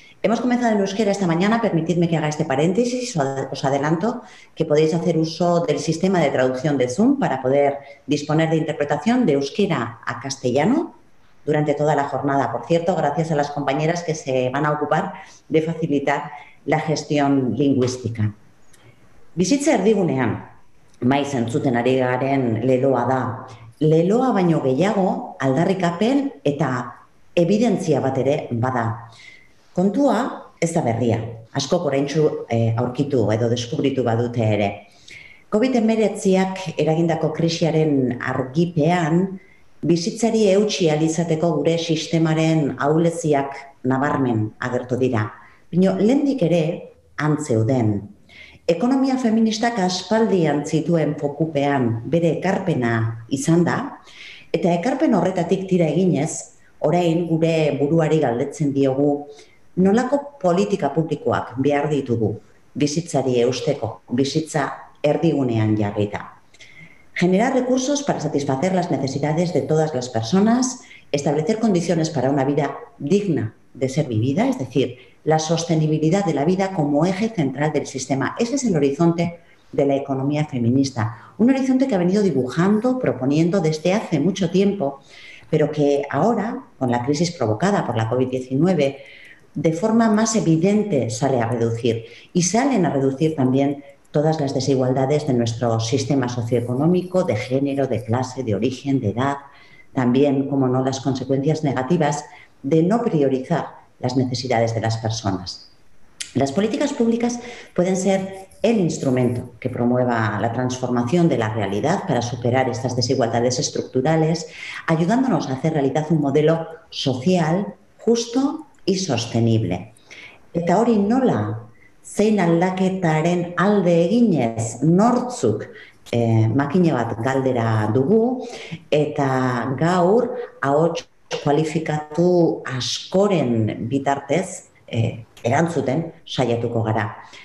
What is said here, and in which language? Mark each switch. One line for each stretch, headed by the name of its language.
Spanish: Hemos comenzado en euskera esta mañana, permitidme que haga este paréntesis, os adelanto que podéis hacer uso del sistema de traducción de Zoom para poder disponer de interpretación de euskera a castellano durante toda la jornada. Por cierto, gracias a las compañeras que se van a ocupar de facilitar la gestión lingüística.
Basque: Bizitza erdigunean, maiz entzuten ari garen leloa da. Leloa baino gehiago, aldarrikapen eta evidentzia bat ere bada. Kontua ez da berria, askok oraintsu aurkitu edo deskubritu badute ere. COVID-19ak eragindako krisiaren argipean, bizitzari eutsi ahal izateko gure sistemaren ahuleziak nabarmen agertu dira. Baina lehendik ere antzeuden. Ekonomia feministak aspaldian zituen fokupean bere ekarpena izan da, eta ekarpen horretatik tira eginez, orain gure buruari galdetzen diogu, nolako politika publikoak behar ditugu bizitzari eusteko, bizitza erdigunean jarrita.
Spanish: Generar recursos para satisfacer las necesidades de todas las personas, establecer condiciones para una vida digna de ser vivida, es decir, la sostenibilidad de la vida como eje central del sistema. Ese es el horizonte de la economía feminista, un horizonte que ha venido dibujando, proponiendo desde hace mucho tiempo, pero que ahora, con la crisis provocada por la COVID-19, de forma más evidente sale a reducir y salen a reducir también todas las desigualdades de nuestro sistema socioeconómico, de género, de clase, de origen, de edad, también, como no, las consecuencias negativas de no priorizar las necesidades de las personas. Las políticas públicas pueden ser el instrumento que promueva la transformación de la realidad para superar estas desigualdades estructurales, ayudándonos a hacer realidad un modelo social, justo y sostenible.
Basque: Eta hori nola, zein aldaketaren alde eginez, nortzuk, makine bat galdera dugu, eta gaur ahots kualifikatu askoren bitartez erantzuten saiatuko gara.